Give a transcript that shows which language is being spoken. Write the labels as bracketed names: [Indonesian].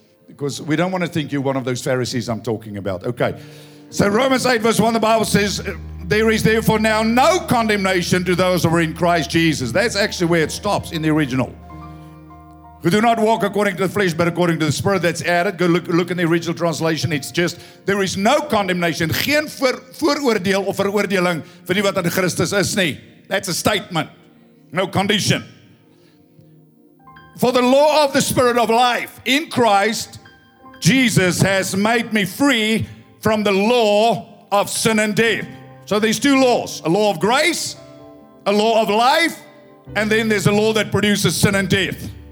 [English] Because we don't want to think you're one of those Pharisees I'm talking about. Okay, so Romans 8 verse 1, the Bible says, there is therefore now no condemnation to those who are in Christ Jesus. That's actually where it stops in the original. Who do not walk according to the flesh, but according to the Spirit. That's added. Go look in the original translation. It's just, there is no condemnation. [Afrikaans] Geen vooroordeel of veroordeling vir die wat in Christus is nie. [English] That's a statement. No condition. For the law of the Spirit of life in Christ Jesus has made me free from the law of sin and death. So there's two laws, a law of grace, a law of life, and then there's a law that produces sin and death.